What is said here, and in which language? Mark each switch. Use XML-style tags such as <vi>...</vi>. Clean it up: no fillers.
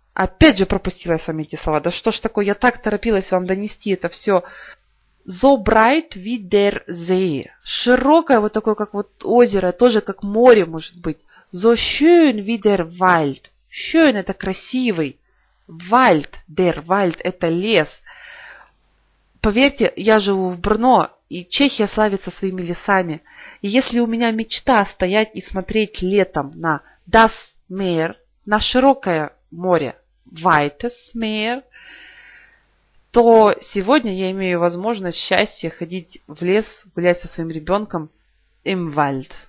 <ru>Опять же пропустила я с вами эти слова. Да что ж такое, я так торопилась вам донести это все.</ru> <de>So breit wie der See.</de> <ru>Широкое, вот такое, как вот озеро, тоже как море может быть.</ru> <de>So schön wie der Wald.</de> <ru>Schön – это красивый.</ru> <de>Wald, der Wald –</de> <ru>это лес. Поверьте, я живу в Брно, и Чехия славится своими лесами. И если у меня мечта стоять и смотреть летом на</ru> <de>das Meer,</de> <ru>на широкое море,</ru> <de>weites Meer,</de> <ru>то сегодня я имею возможность счастья ходить в лес, гулять со своим ребенком</ru> <de>im Wald.</de>